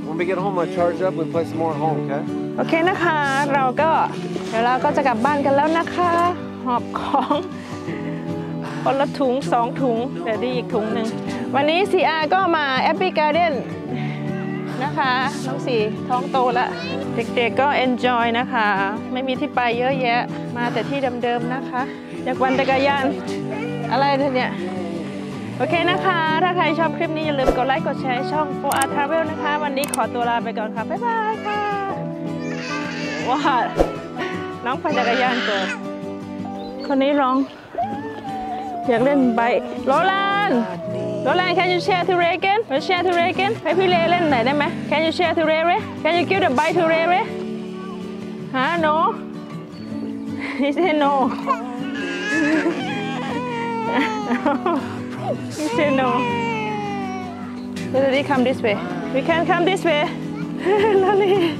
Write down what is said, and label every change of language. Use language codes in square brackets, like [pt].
[en] When we get home, I'll charge up. We play some more at home, okay? [th] Okay, นะคะ เราก็ เดี๋ยวเราก็จะกลับบ้านกันแล้วนะคะ หอบของ คนละถุง 2 ถุง แต่ดีอีกถุงหนึ่ง วันนี้ CR ก็มา Happy Garden นะคะ น้องสี่ท้องโตแล้ว เด็กๆก็ enjoy นะคะ ไม่มีที่ไปเยอะแยะ มาแต่ที่เดิมๆนะคะ อยากวันจักรยาน อะไรทีเนี้ยโอเคนะคะถ้าใครชอบคลิปนี้อย่าลืมกดไลค์กดแชร์ช่อง 4R Travel นะคะวันนี้ขอตัวลาไปก่อนค่ะบ๊ายบายค่ะว้าวน้องปั่นจักรยานเกิดคนนี้ร้องอยากเล่นไบค์โรแลนด์ [en] Can you share to Ray again? Can you share to Ray again? [th] ให้พี่เล่นหน่อยได้ไหม [en] Can you share to Ray Ray? Can you give the bike to Ray Ray? ฮะ no He said no You say no. Lily, come this way. We can come this way. Lily.